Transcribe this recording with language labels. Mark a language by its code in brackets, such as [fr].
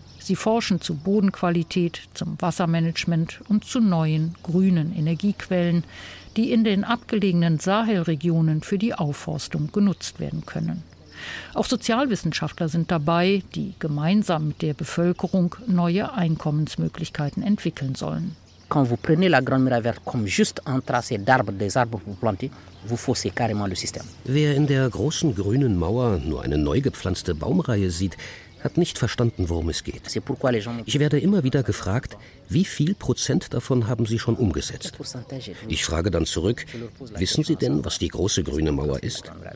[de] Sie forschen zu Bodenqualität, zum Wassermanagement und zu neuen, grünen Energiequellen, die in den abgelegenen Sahelregionen für die Aufforstung genutzt werden können. Auch Sozialwissenschaftler sind dabei, die gemeinsam mit der Bevölkerung neue Einkommensmöglichkeiten entwickeln sollen. [fr] Quand vous prenez la grande mer verte comme juste un tracé d'arbres, des arbres pour planter, vous faussez carrément le système. [de] Wer in der großen grünen Mauer nur eine neu gepflanzte Baumreihe sieht, hat nicht verstanden, worum es geht. Ich werde immer wieder gefragt, wie viel Prozent davon haben Sie schon umgesetzt? Ich frage dann zurück, wissen Sie denn, was die große grüne Mauer ist?